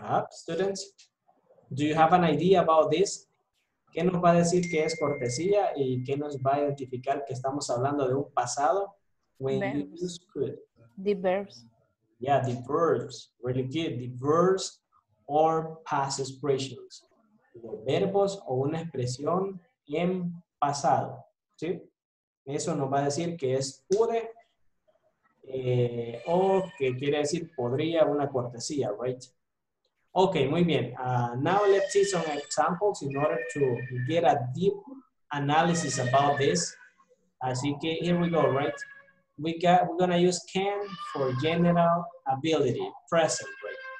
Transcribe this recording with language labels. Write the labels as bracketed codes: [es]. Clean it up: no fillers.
[en] Students, do you have an idea about this? [es] ¿Qué nos va a decir que es cortesía y qué nos va a identificar que estamos hablando de un pasado? [en] When you use could. The verbs. Yeah, the verbs. Really good. The verbs or past expressions. [es] Verbos o una expresión en pasado, ¿sí? Eso nos va a decir que es pude o que quiere decir podría una cortesía, right? Ok, muy bien. [en] Now let's see some examples in order to get a deep analysis about this. [es] Así que [en] here we go, right? We're gonna use can for general ability, present, right?